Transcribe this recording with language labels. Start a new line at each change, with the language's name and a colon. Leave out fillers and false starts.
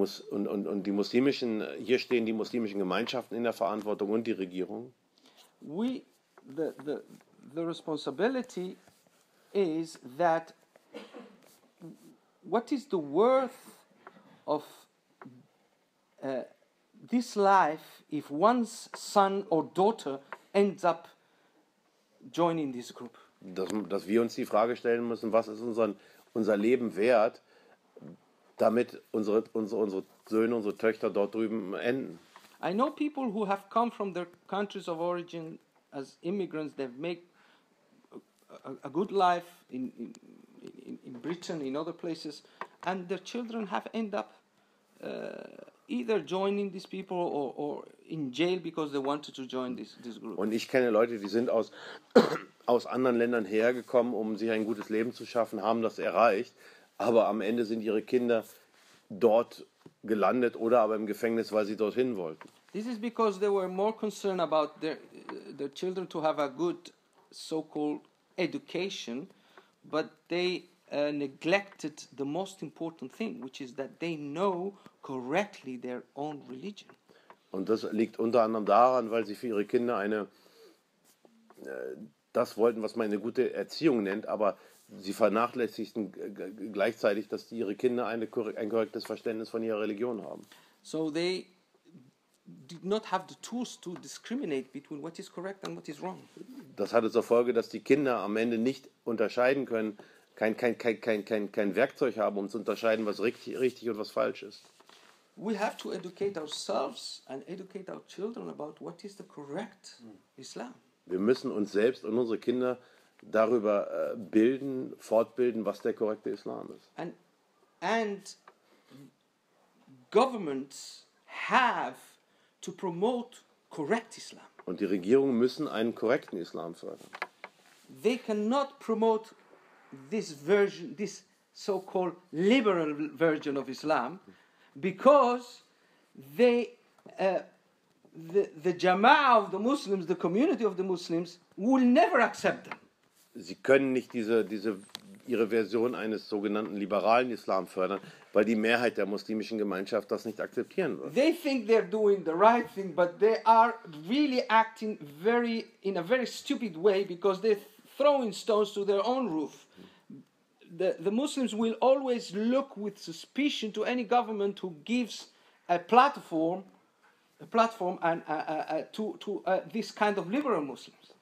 German: Und die muslimischen, hier stehen die muslimischen Gemeinschaften in der Verantwortung und die Regierung.
English: The responsibility is that what is the worth of this life if one's son or daughter ends up joining this group?
German: Dass wir uns die Frage stellen müssen, was ist unser Leben wert, damit unsere Söhne, unsere Töchter dort drüben enden.
English: I know people who have come from their countries of origin as immigrants. They've made a good life in Britain, in other places, and their children have ended up either joining these people or in jail because they wanted to join this group.
German: Und ich kenne Leute, die sind aus anderen Ländern hergekommen, um sich ein gutes Leben zu schaffen, haben das erreicht. Aber am Ende sind ihre Kinder dort gelandet oder aber im Gefängnis, weil sie dorthin wollten.
English: This is because they were more concerned about their children to have a good so-called education, but they neglected the most important thing, which is that they know correctly their own religion.
German: Und das liegt unter anderem daran, weil sie für ihre Kinder das wollten, was man eine gute Erziehung nennt, aber sie vernachlässigten gleichzeitig, dass ihre Kinder ein korrektes Verständnis von ihrer Religion haben.
English: So they did not have the tools to discriminate between what is correct and what is wrong.
German: Das hatte zur Folge, dass die Kinder am Ende nicht unterscheiden können, kein Werkzeug haben, um zu unterscheiden, was richtig und was falsch ist.
English: We have to educate ourselves and educate our children about what is the correct Islam.
German: Wir müssen uns selbst und unsere Kinder darüber bilden, fortbilden, was der korrekte Islam ist.
English: And governments have to promote correct Islam.
German: Und die Regierungen müssen einen korrekten Islam fördern.
English: They cannot promote this version, this so-called liberal version of Islam, because the Jama'ah of the Muslims, the community of the Muslims, will never accept them.
German: Sie können nicht diese ihre Version eines sogenannten liberalen Islam fördern, weil die Mehrheit der muslimischen Gemeinschaft das nicht akzeptieren wird.
English: They think they're doing the right thing, but they are really acting very in a very stupid way, because they're throwing stones to their own roof. The Muslims will always look with suspicion to any government who gives a platform to this kind of liberal Muslims.